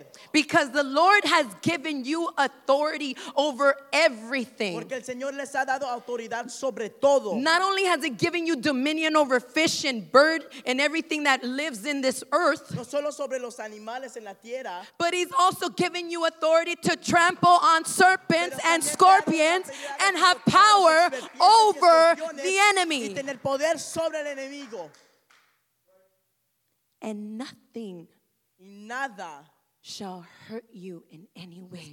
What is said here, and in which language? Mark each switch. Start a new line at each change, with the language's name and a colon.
English: Because the Lord has given you authority over everything.
Spanish: Porque el Señor les ha dado autoridad sobre todo.
English: Not only has he given you dominion over fish and bird and everything that lives in this earth,
Spanish: no solo sobre los animales en la tierra,
English: but he's also given you authority to trample on serpents and scorpions and have power over the enemy.
Spanish: Y tener poder sobre el enemigo.
English: And nothing
Spanish: nada
English: shall hurt you in any way.